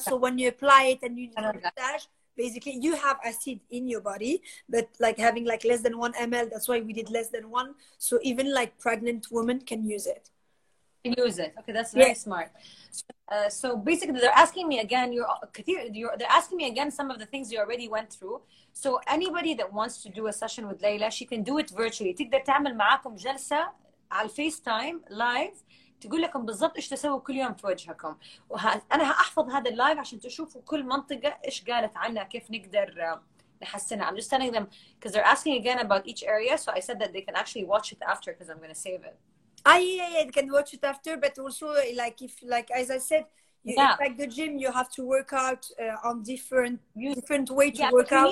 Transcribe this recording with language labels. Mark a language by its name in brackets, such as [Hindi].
[English] So when you apply it and you do the massage, basically you have acid in your body, but like having like less than 1 ml, that's why we did less than one. So even like pregnant women can use it. Use it. Okay, that's very smart. So basically they're asking me again, they're asking me again some of the things you already went through. So anybody that wants to do a session with Leila, she can do it virtually. [Arabic] تقدر تعمل معاكم جلسة على FaceTime live تقول لكم بالضبط ايش تسووا كل يوم في وجهكم. انا هأحفظ هذا اللايف عشان تشوفوا كل منطقة ايش قالت عنها كيف نقدر نحسنها. [English] I'm just telling them because they're asking again about each area, so I said that they can actually watch it after because I'm going to save it. I can watch it after, but also like if like as I said, like the gym, you have to work out on different way to work out.